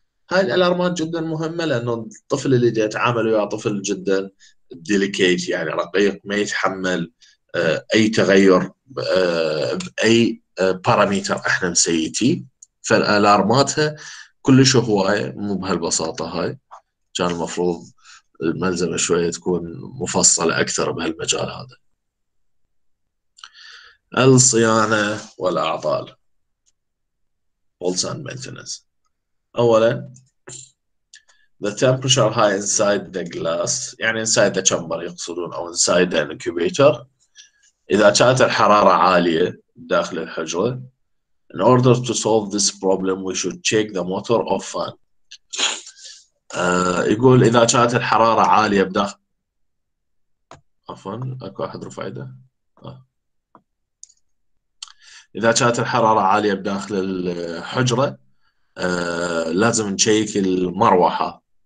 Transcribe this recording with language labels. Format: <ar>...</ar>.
<ar>هاي الألارمات جدا مهمة، لأنه الطفل اللي جاي يتعامل ويا طفل جدا ديليكيت يعني رقيق، ما يتحمل اي تغير باي باراميتر احنا نسيتي، فالالارماتها كلش هواية مو بهالبساطة. هاي كان المفروض الملزمة شوية تكون مفصلة اكثر بهالمجال هذا. الصيانة والاعطال</ar> <en>Faults and maintenance.</en> <ar>اولا</ar> <en>the temperature high inside the glass</en> <ar>يعني</ar> <en>inside the chamber</en> <ar>يقصدون او</ar> <en>inside the incubator،</en> <ar>اذا كانت الحراره عاليه داخل الحجره.</ar> <en>in order to solve this problem we should check the motor of fan.</en> <ar>يقول اذا كانت الحراره عاليه بداخل، عفوا اكو احد رفع ايده، اذا كانت الحراره عاليه بداخل الحجره لازم نشيك المروحه.</ar>